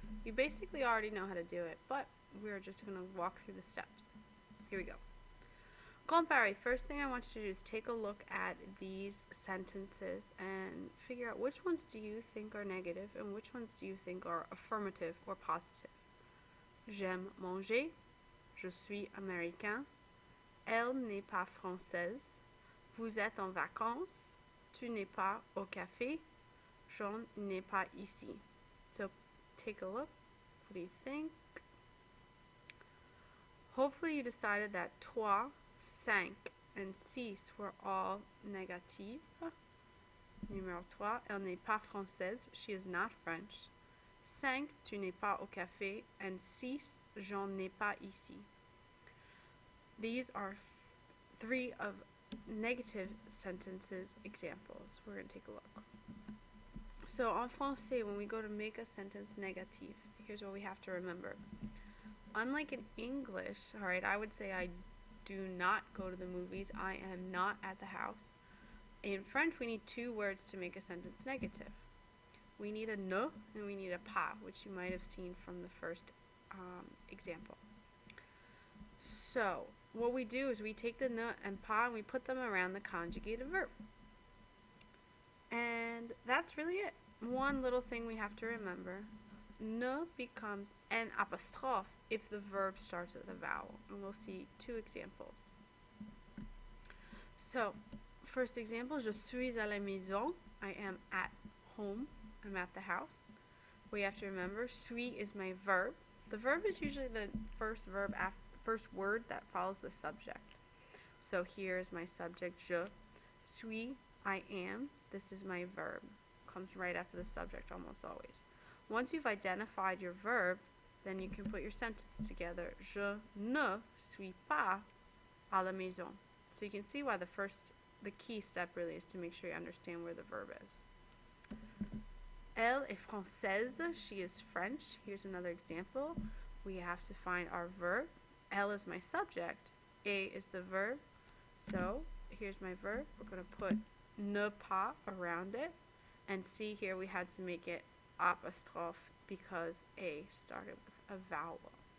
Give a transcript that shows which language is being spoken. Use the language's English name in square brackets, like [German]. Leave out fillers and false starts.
[English] You basically already know how to do it, but we're just going to walk through the steps. Here we go. Comparé, first thing I want you to do is take a look at these sentences and figure out which ones do you think are negative and which ones do you think are affirmative or positive. [French] J'aime manger. Je suis américain. Elle n'est pas française. Vous êtes en vacances. Tu n'es pas au café. Jean n'est pas ici. [English] So take a look. What do you think? Hopefully you decided that toi, cinq, and six were all négatives. [French] Numéro trois, elle n'est pas française. [English] She is not French. [French] Cinq, tu n'es pas au café. [English] And six, [French] Jean n'est pas ici. [English] These are three of negative sentences examples. We're going to take a look. So [French] en français, [English] when we go to make a sentence negative, here's what we have to remember. Unlike in English, all right, I would say I do not go to the movies. I am not at the house. In French, we need two words to make a sentence negative. We need a ne and we need a pas, which you might have seen from the first example. So what we do is we take the ne and pas and we put them around the conjugated verb. And that's really it. One little thing we have to remember. Ne becomes an apostrophe if the verb starts with a vowel. And we'll see two examples. So, first example, [French] je suis à la maison. [English] I am at home. I'm at the house. We have to remember, suis is my verb. The verb is usually the first verb after. First word that follows the subject. So here is my subject, [French] je suis, [English] I am. This is my verb. Comes right after the subject almost always. Once you've identified your verb, then you can put your sentence together. [French] Je ne suis pas à la maison. [English] So you can see why the key step really is to make sure you understand where the verb is. [French] Elle est française. [English] She is French. Here's another example. We have to find our verb. Elle is my subject, A is the verb, so here's my verb, we're going to put ne pas around it, and see here we had to make it apostrophe because A started with a vowel.